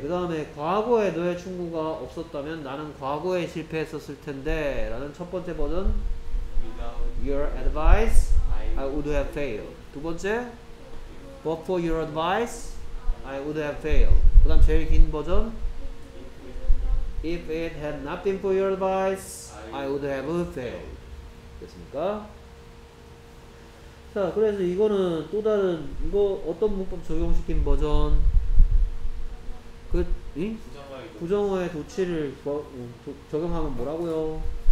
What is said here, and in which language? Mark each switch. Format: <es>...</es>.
<ko>그 다음에 과거에 너의 친구가 없었다면 나는 과거에 실패했었을 텐데라는 첫 번째 버전.</ko> <en>Your advice, I would have failed.</en> <ko>두 번째,</ko> <en>but for your advice, I would have failed.</en> <ko>그 다음 제일 긴 버전.</ko> <en>If it had not been for your advice, I would have failed.</en> <ko>됐습니까? 자, 그래서 이거는 또 다른, 이거 어떤 문법 적용시킨 버전? 그, 이? 부정어의 도치를 적용하면 뭐라고요?</ko>